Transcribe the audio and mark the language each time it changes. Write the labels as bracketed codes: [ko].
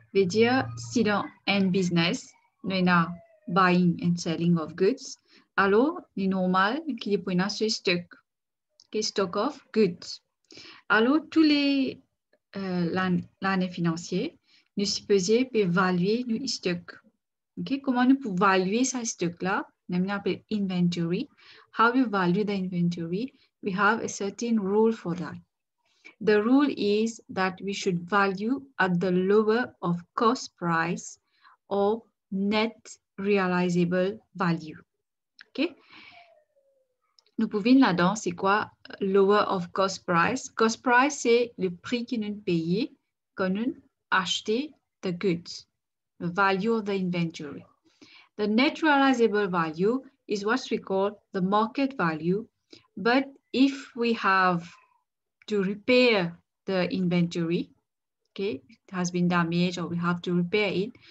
[fr] Veut dire, si dans un business, on a buying and selling of goods, alors, c'est normal qu'il y ait ce stock. Okay. Stock of goods. Alors, tous les... l'année financière, nous supposons évaluer nos stocks. Okay? Comment nous pouvons évaluer ces stocks-là? Nous appelons inventory. [en] How we value the inventory? We have a certain rule for that. The rule is that we should value at the lower of cost price or net realizable value. Okay? [fr] Nous pouvons là-dedans, c'est quoi? Lower of cost price. Cost price, c'est le prix que nous payons quand nous achetons the goods. [en] The value of the inventory. The net realizable value is what we call the market value. But if we have to repair the inventory, okay, it has been damaged or we have to repair it.